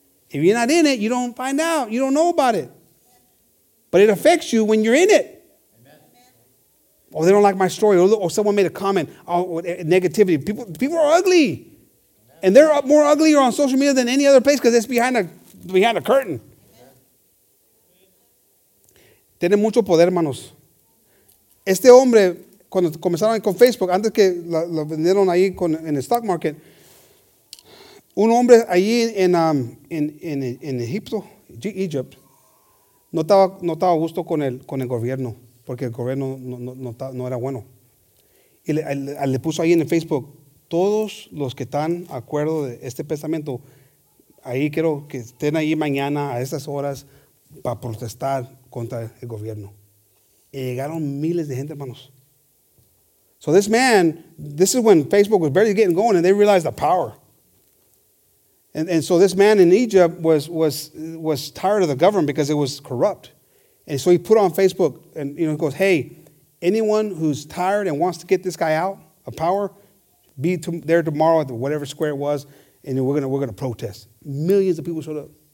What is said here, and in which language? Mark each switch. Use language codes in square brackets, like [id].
[en] If you're not in it, you don't find out. You don't know about it. But it affects you when you're in it. Amen. Oh, they don't like my story. Or someone made a comment. Oh, negativity. People are ugly. Amen. And they're more ugly on social media than any other place because it's behind a curtain. [es] Tiene mucho poder, hermanos. Este hombre, cuando comenzaron con Facebook, antes que lo vendieron ahí en el stock market, un hombre allí en Egipto, Egypt, no estaba a gusto con el gobierno, porque el gobierno no era bueno. Y le puso ahí en el Facebook, todos los que están de acuerdo de este pensamiento, ahí quiero que estén ahí mañana a estas horas para protestar contra el gobierno. Y llegaron miles de gente, hermanos. [en] So this man, this is when Facebook was barely getting going and they realized the power. And so this man in Egypt was tired of the government because it was corrupt. And so he put on Facebook and, you know, he goes, hey, anyone who's tired and wants to get this guy out of power, be there tomorrow at whatever square it was, and we're gonna protest. Millions of people showed up.